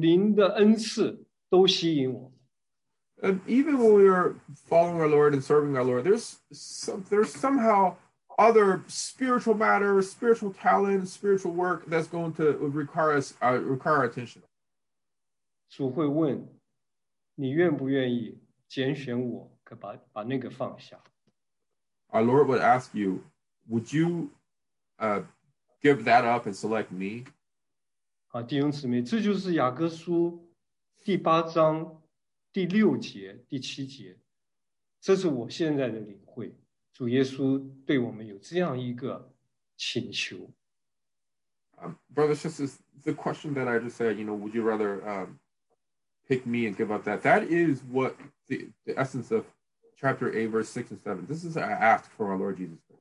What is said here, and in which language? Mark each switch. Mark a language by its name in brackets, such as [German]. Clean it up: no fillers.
[Chinese] 我们跟从主侍奉主以后呢，还是有很多所谓的属灵的事工、属灵的才干、属灵的恩赐都吸引我。 [English] Even when we are following our Lord and serving our Lord, there's somehow other spiritual matter, spiritual talent, spiritual work that's going to require us require our attention. [Chinese] 主会问你愿不愿意拣选我，可把那个放下。 [English] Our Lord would ask you, would you give that up and select me? [Chinese] 好，弟兄姊妹，这就是雅各书第八章。第六节、第七节，这是我现在的领会。主耶稣对我们有这样一个请求。 [English] Brothers, this is the question that I just said, you know, would you rather pick me and give up that? That is what the essence of chapter 8, verse 6 and 7. This is an ask for our Lord Jesus.